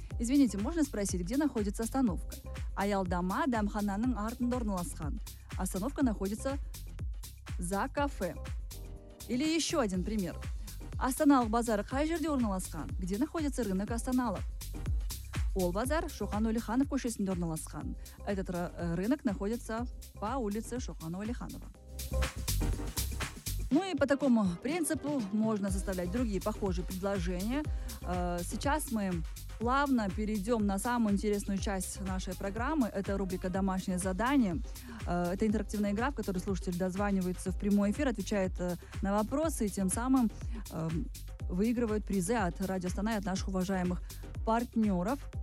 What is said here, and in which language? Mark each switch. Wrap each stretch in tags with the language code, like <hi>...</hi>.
<ru>Извините, можно спросить, где находится остановка?</ru> <kk>Аялдама дамхананың артында орналасқан.</kk> <ru>Остановка находится за кафе. Или еще один пример.</ru> <kk>Астаналық базар қай жерде орналасқан?</kk> <ru>Где находится рынок Астаналық?</ru> <kk>Ол базар Шоқан Уәлиханов көшесінде орналасқан.</kk> <ru>Этот рынок находится по улице Шоқана Уәлиханова. Ну и по такому принципу можно составлять другие похожие предложения. Сейчас мы плавно перейдем на самую интересную часть нашей программы. Это рубрика «Домашнее задание». Это интерактивная игра, в которой слушатель дозванивается в прямой эфир, отвечает на вопросы и тем самым выигрывает призы от Радио Астана и от наших уважаемых партнеров.</ru>